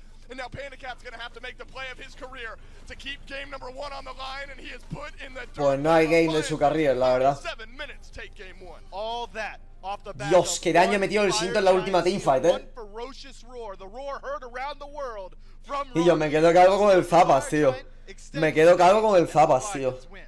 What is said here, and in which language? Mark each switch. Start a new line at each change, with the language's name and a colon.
English: And now Pandacat's gonna have to make the play of his career to keep game number one on the line, and he is put in the dirt.
Spanish: Pues no hay game de su carrera, la verdad.
English: 7 minutes take game one. All that off the back.
Spanish: Dios, qué daño metió el cinto en la última teamfight, eh.
English: One ferocious roar, the roar heard around the world from.
Spanish: Y yo me quedo calvo con el Zapas, tío. Me quedo calvo con el Zapas, tío.